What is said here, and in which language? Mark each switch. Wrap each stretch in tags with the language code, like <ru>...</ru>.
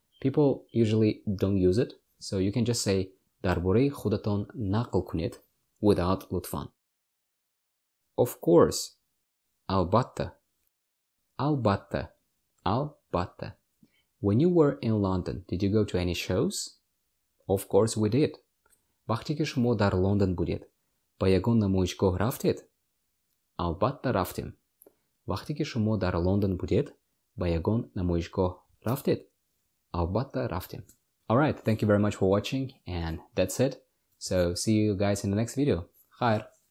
<en>People usually don't use it, so you can just say</en> <tg>darbore-ye khudaton naql kunid</tg> <en>without lutfan. Of course.</en> <tg>Albatta. Albatta. Albatta.</tg> <en>When you were in London, did you go to any shows? Of course we did.</en> <tg>Вақте ки шумо дар Лондон будед, ба ягон намоишгоҳ рафтед? Албатта рафтем. Вақте ки шумо дар Лондон будед, ба ягон намоишгоҳ рафтед? Албатта рафтем.</tg> <en>All right, thank you very much for watching, and that's it. So, see you guys in the next video.</en> <tg>Хайр!</tg>